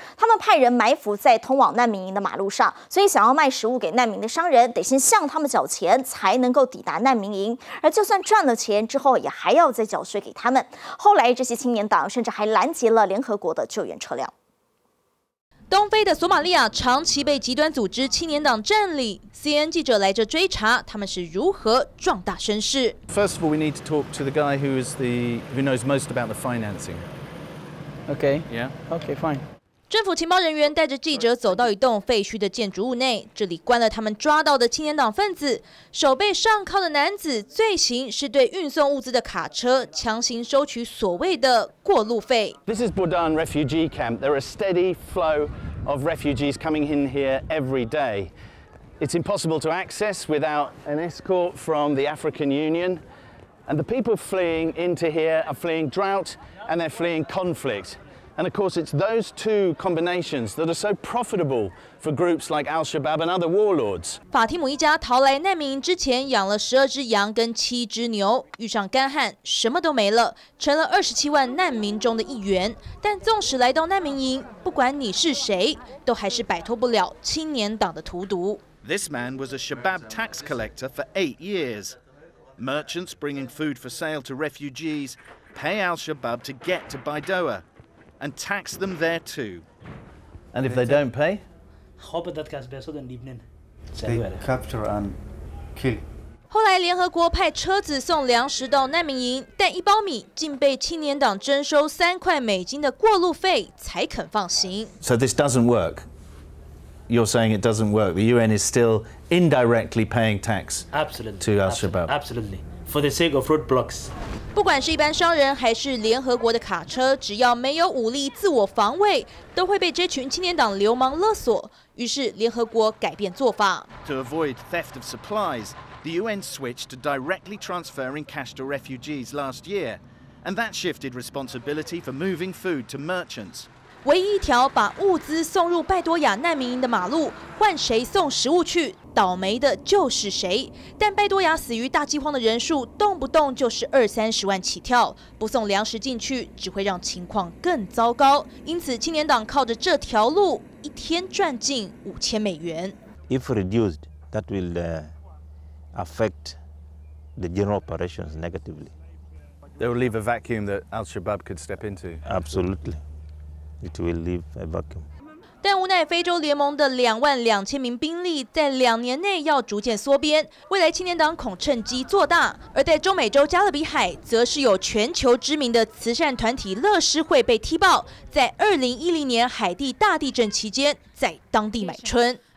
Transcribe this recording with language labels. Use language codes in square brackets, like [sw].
[zh] 他们派人埋伏在通往难民营的马路上，所以想要卖食物给难民的商人得先向他们缴钱才能够抵达难民营，而就算赚了钱之后也还要再缴税给他们。后来这些青年党甚至还拦截了联合国的救援车辆。东非的索马利亚长期被极端组织青年党占领。 CNN 记者来这追查，他们是如何壮大声势。 [en] First of all, we need to talk to the guy who is the who knows most about the financing. Okay. Yeah. Okay. Fine. [zh] 政府情报人员带着记者走到一栋废墟的建筑物内，这里关了他们抓到的青年党分子。手被上铐的男子罪行是对运送物资的卡车强行收取所谓的过路费。 [en] This is Bourdon refugee camp. There are a steady flow of refugees coming in here every day. It's impossible to access without an escort from the African Union. And the people fleeing into here are fleeing drought and they're fleeing conflict. And of course, it's those two combinations that are so profitable for groups like Al-Shabaab and other warlords. [zh] 法蒂姆一家逃来难民营之前养了十二只羊跟七只牛，遇上干旱，什么都没了，成了27万难民中的一员。但纵使来到难民营，不管你是谁，都还是摆脱不了青年党的荼毒。 [en] This man was a Shabaab tax collector for 8 years. Merchants bringing food for sale to refugees pay Al-Shabaab to get to Baidoa. And tax them there too. And if they don't pay, hope that gets better than Lebanon. They capture and kill. [zh] 后来，联合国派车子送粮食到难民营，但一包米竟被青年党征收$3的过路费才肯放行。 [en] So this doesn't work. You're saying it doesn't work. The UN is still indirectly paying tax to Al-Shabaab. Absolutely. For the sake of roadblocks. [zh] 不管是一般商人还是联合国的卡车，只要没有武力自我防卫，都会被这群青年党流氓勒索。于是联合国改变做法。 [en] To avoid theft of supplies, the UN switched to directly transferring cash to refugees last year, and that shifted responsibility for moving food to merchants. [zh] 唯一一条把物资送入拜多亚难民营的马路，换谁送食物去？倒霉的就是谁？但拜多亚死于大饥荒的人数动不动就是20-30万起跳，不送粮食进去只会让情况更糟糕。因此，青年党靠着这条路，一天赚近$5,000。 [en] If reduced, that will affect the general operations negatively. They will leave a vacuum that Al-Shabaab could step into. Absolutely, it will leave a vacuum. [zh] 但无奈，非洲联盟的22,000兵力在2年内要逐渐缩编，未来青年党恐趁机做大。而在中美洲加勒比海，则是有全球知名的慈善团体乐施会被踢爆，在2010年海地大地震期间，在当地买春。